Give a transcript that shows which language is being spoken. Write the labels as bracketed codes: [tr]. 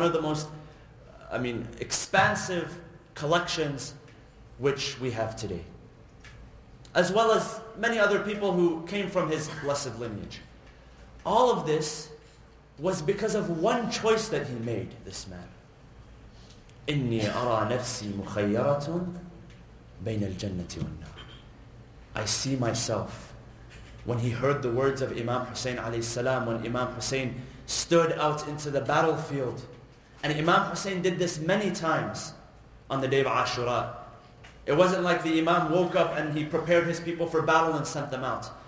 [en] One of the most, expansive collections which we have today. As well as many other people who came from his blessed lineage. All of this was because of one choice that he made, this man. [ar] إني أرى نفسي مخيرة بين الجنة والنار. [en] I see myself when he heard the words of Imam Hussein alayhi salam, when Imam Hussein stood out into the battlefield. And Imam Hussein did this many times on the day of Ashura. It wasn't like the Imam woke up and he prepared his people for battle and sent them out.